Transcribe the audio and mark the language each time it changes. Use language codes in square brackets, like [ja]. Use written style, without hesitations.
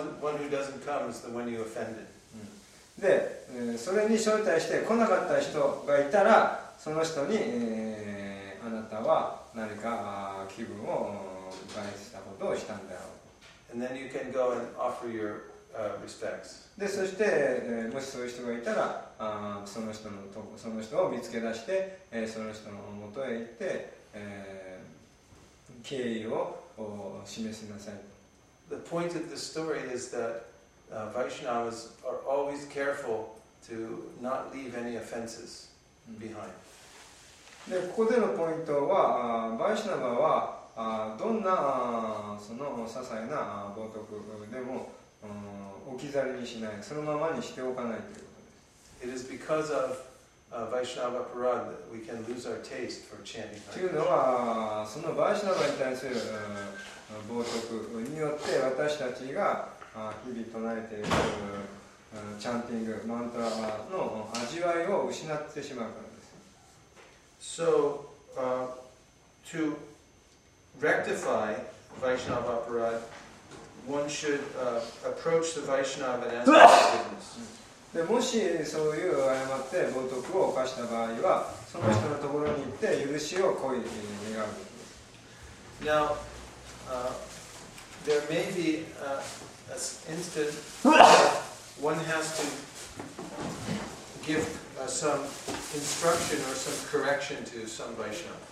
[en] And the one who doesn't come is the one you offended. [ja] で、それに招待して来なかった人がいたら、その人に、あなたは何か気分を害したことをしたんだろう。 [en] And then you can go and offer your respects. [ja] で、そして、もしそういう人がいたら、その人を見つけ出して、その人の元へ行って、敬意を示しなさい。 [en] The point of the story is that Vaishnavas are always careful to not leave any offenses behind. [ja] で、ここでのポイントは、Vaishnava はどんなその些細な冒涜でも置き去りにしない、そのままにしておかないということです。 [en] It is because of Vaishnava Parad that we can lose our taste for chanting. [ja] というのは、そのバイシナバに対する冒涜によって私たちが日々唱えているチャンティング、マントラの味わいを失ってしまうからです。 [en] So, to rectify Vaishnava Parad, one should approach the Vaishnava and ask forgiveness. [ja] でもしそういう誤って冒涜を犯した場合は、その人のところに行って許しを請い願うべきです。 [en] Now, there may be an instance one has to give some instruction or some correction to some Vaishnava.